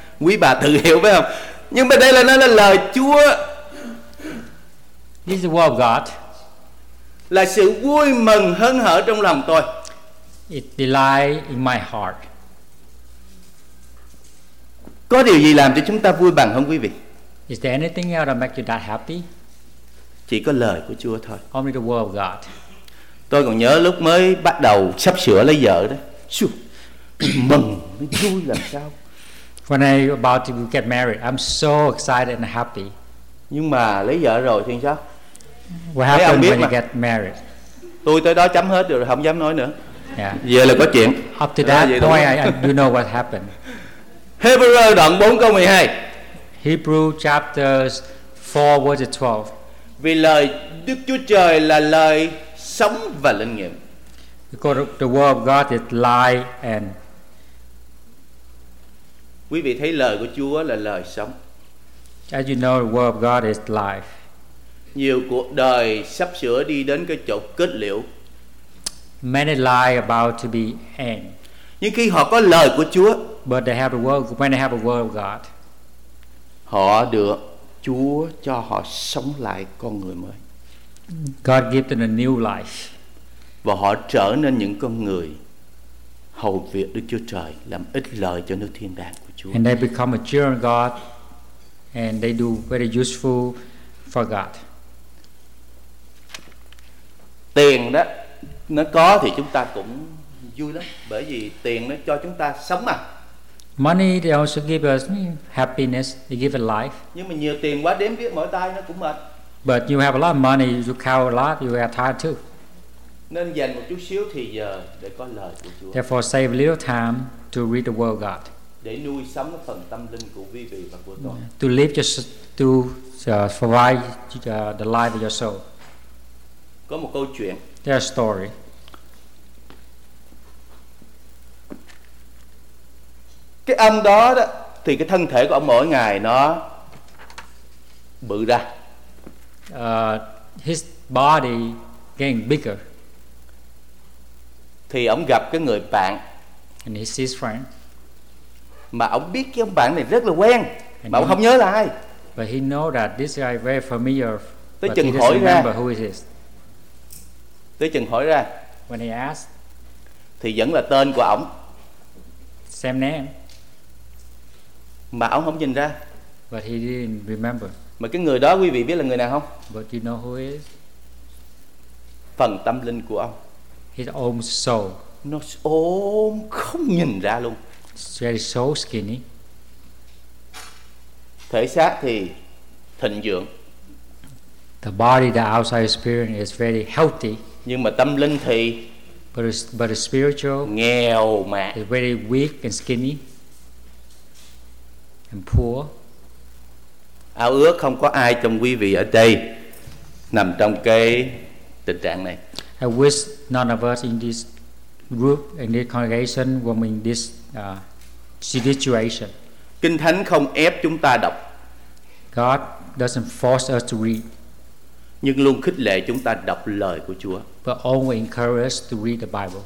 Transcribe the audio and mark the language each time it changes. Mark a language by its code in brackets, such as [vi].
[vi] Quý bà tự hiểu phải không? Nhưng mà đây là nói là lời Chúa. [en] This is the word of God. [vi] Là sự vui mừng hớn hở trong lòng tôi. [en] It delight in my heart. [vi] Có điều gì làm cho chúng ta vui bằng không quý vị? [en] Is there anything else that makes you that happy? [vi] Chỉ có lời của Chúa thôi. [en] Only the word of God. [vi] Tôi còn nhớ lúc mới bắt đầu sắp sửa lấy vợ đó. Mừng, vui làm sao? [en] When I about to get married, I'm so excited and happy. [vi] Nhưng mà lấy vợ rồi thì sao? [en] What happened when you get married? [vi] Tôi tới đó chấm hết rồi, không dám nói nữa. [en] Yeah. [vi] Giờ là có chuyện. [en] Up to that point, I do know what happened. [vi] Hebrew đoạn 4 câu 12. [en] Hebrew chapters 4 verse 12. [vi] Vì lời Đức Chúa Trời là lời sống và linh nghiệm. [en] Because the word of God is life and. [vi] Quý vị thấy lời của Chúa là lời sống. [en] As you know, the word of God is life. [vi] Nhiều cuộc đời sắp sửa đi đến cái chỗ kết liễu. [en] Many lives about to be end. [vi] Nhưng khi họ có lời của Chúa, [en] but they have the word, when they have the word of God, [vi] họ được Chúa cho họ sống lại con người mới. [en] God gives them a new life. [vi] Và họ trở nên những con người hầu việc Đức Chúa Trời, làm ích lợi cho nước thiên đàng của Chúa. [en] And they become a children of God, and they do very useful for God. [vi] Tiền đó, nó có thì chúng ta cũng vui lắm, bởi vì tiền nó cho chúng ta sống mà. [en] Money they also give us happiness, they give a life. [vi] Nhưng mà nhiều tiền quá đếm biết mỗi tay nó cũng mệt. [en] But you have a lot of money, you count a lot, you have time too. [vi] Nên dành một chút xíu thì giờ để có lời của Chúa. [en] Therefore save a little time to read the word of God. [vi] Để nuôi sống cái phần tâm linh của quý vị và của tôi. [en] To live just to provide the life of your soul. [vi] Có một câu chuyện. [en] There's a story. [vi] Cái ông đó đó thì cái thân thể của ông mỗi ngày nó bự ra. [en] His body getting bigger. [vi] Thì ông gặp cái người bạn. [en] And he sees friend. [vi] Mà ông biết cái ông bạn này rất là quen. And mà ông không nhớ là ai. [en] But he know that this guy very familiar. [vi] Tới chừng hỏi ra. [en] Who is this? [vi] Tới chừng hỏi ra. [en] When he asked. [vi] Thì vẫn là tên của ông. [en] Same name. [vi] Mà ông không nhìn ra. [en] But he didn't remember. [vi] Mà cái người đó quý vị biết là người nào không? [en] But you know who is? [vi] Phần tâm linh của ông. [en] His own soul. [vi] Nó ốm không nhìn ra luôn. [en] Very so skinny. [vi] Thể xác thì thịnh vượng. [en] The body, the outside spirit is very healthy. [vi] Nhưng mà tâm linh thì [en] but the spiritual [vi] nghèo mà. [en] Is very weak and skinny and poor. [vi] Ao ước không có ai trong quý vị ở đây nằm trong cái tình trạng này. [en] I wish none of us in this group and this congregation were in this situation. [vi] Kinh Thánh không ép chúng ta đọc. [en] God doesn't force us to read. [vi] Nhưng luôn khích lệ chúng ta đọc lời của Chúa. [en] But always encourage us to read the Bible.